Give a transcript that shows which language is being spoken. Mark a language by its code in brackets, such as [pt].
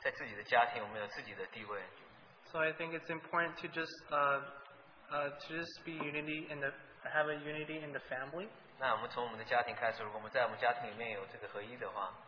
[zh] 那我们应当就是能够认出的，就是我们在自己的家庭，我们有自己的地位。 [en] So I think it's important to just have a unity in the family. [zh] 那我们从我们的家庭开始，如果我们在我们家庭里面有这个合一的话。